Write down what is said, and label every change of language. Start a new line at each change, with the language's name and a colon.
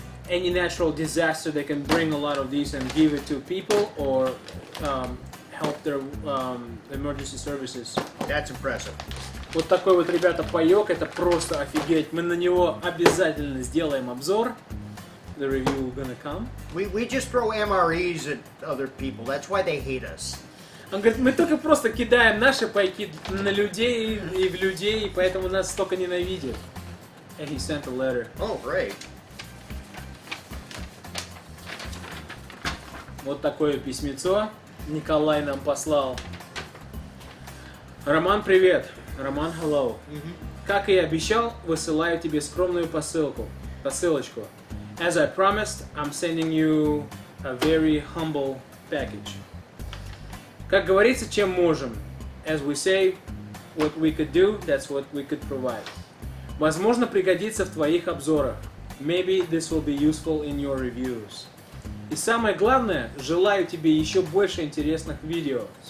English: Any natural disaster, they can bring a lot of these and give it to people or help their emergency services. That's impressive.
Russian: Вот такой вот, ребята, паёк. Это просто офигеть. Мы на него обязательно сделаем обзор.
English: The review is gonna come. We just throw MREs at other people. That's why they hate us.
Russian: Он говорит, мы только просто кидаем наши пайки на людей и в людей, поэтому нас столько ненавидят.
English: And he sent a letter. Oh, great.
Russian: Вот такое письмецо Николай нам послал. Роман, привет. Роман, hello. Mm-hmm. Как и обещал, высылаю тебе скромную посылку. Посылочку.
English: As I promised, I'm sending you a very humble package.
Russian: Как говорится, чем можем.
English: as we say, what we could do, that's what we could provide.
Russian: Возможно, пригодится в твоих обзорах.
English: Maybe this will be useful in your reviews.
Russian: И самое главное, желаю тебе еще больше интересных видео.